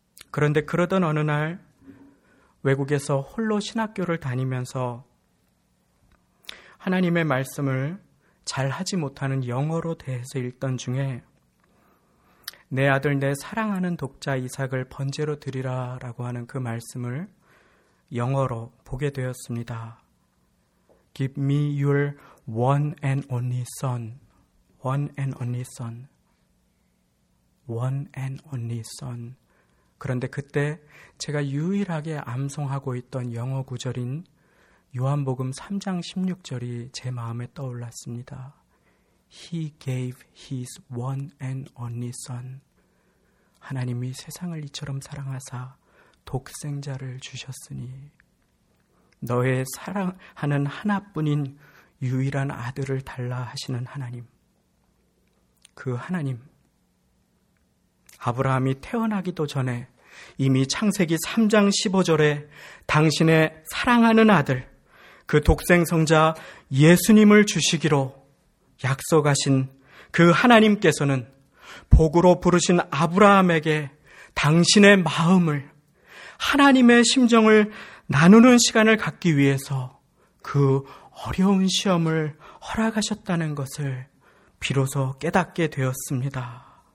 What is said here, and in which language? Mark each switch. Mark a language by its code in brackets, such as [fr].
[ko] 그런데 그러던 어느 날 외국에서 홀로 신학교를 다니면서 하나님의 말씀을 잘 하지 못하는 영어로 대해서 읽던 중에 내 아들 내 사랑하는 독자 이삭을 번제로 드리라라고 하는 그 말씀을 영어로 보게 되었습니다. [en] Give me your one and only son. One and only son. One and only son. [ko] 그런데 그때 제가 유일하게 암송하고 있던 영어 구절인 요한복음 3장 16절이 제 마음에 떠올랐습니다. [en] He gave his one and only son. [ko] 하나님이 세상을 이처럼 사랑하사 독생자를 주셨으니 너의 사랑하는 하나뿐인 유일한 아들을 달라 하시는 하나님, 그 하나님, 아브라함이 태어나기도 전에 이미 창세기 3장 15절에 당신의 사랑하는 아들, 그 독생성자 예수님을 주시기로 약속하신 그 하나님께서는 복으로 부르신 아브라함에게 당신의 마음을, 하나님의 심정을 나누는 시간을 갖기 위해서 그 어려운 시험을 허락하셨다는 것을 비로소 깨닫게 되었습니다.